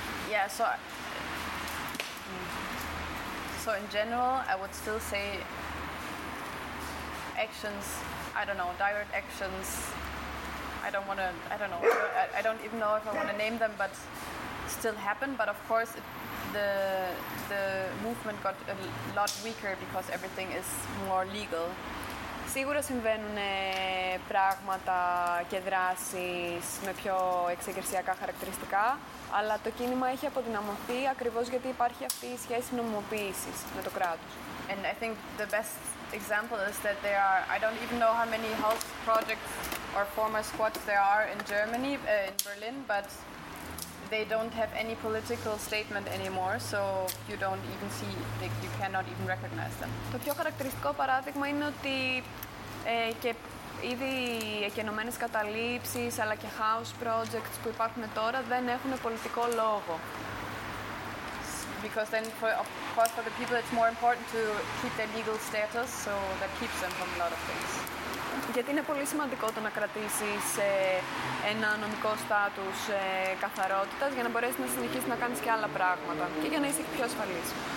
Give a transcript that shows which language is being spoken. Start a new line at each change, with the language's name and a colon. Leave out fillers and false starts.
English: Yeah, so in general, I would still say actions, I don't know, direct actions, I don't even know if I want to name them, but still happen. But of course, the movement got a lot weaker because everything is more legal.
Greek: Σίγουρα συμβαίνουν πράγματα και δράσεις με πιο εξεγερσιακά χαρακτηριστικά, αλλά το κίνημα έχει αποδυναμωθεί ακριβώς γιατί υπάρχει αυτή η σχέση νομιμοποίησης με το κράτος.
English: And I think the best example is that there are, I don't even know how many health projects or former squads there are in Germany, in Berlin, but they don't have any political statement anymore, so you don't even see, you cannot even recognize them.
Greek: Το πιο χαρακτηριστικό παράδειγμα είναι ότι και ήδη εκενωμένες καταλήψεις, αλλά και house projects που υπάρχουν τώρα, δεν έχουν πολιτικό λόγο.
English: Because then, of course, for the people it's more important to keep their legal status, so that keeps them from a lot of things.
Greek: Γιατί είναι πολύ σημαντικό το να κρατήσεις ένα νομικό στάτους καθαρότητας για να μπορέσεις να συνεχίσεις να κάνεις και άλλα πράγματα και για να είσαι πιο ασφαλής.